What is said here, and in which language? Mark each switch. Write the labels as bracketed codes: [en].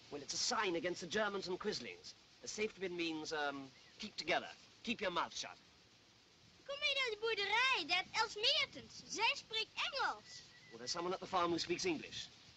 [en] Well, it's a sign against the Germans and Quislings. A safety pin means, keep together. Keep your mouth shut. [nl] Kom mee naar de boerderij, dat Els Meertens. Zij spreekt Engels. [en] Well, there's someone at the farm who speaks English.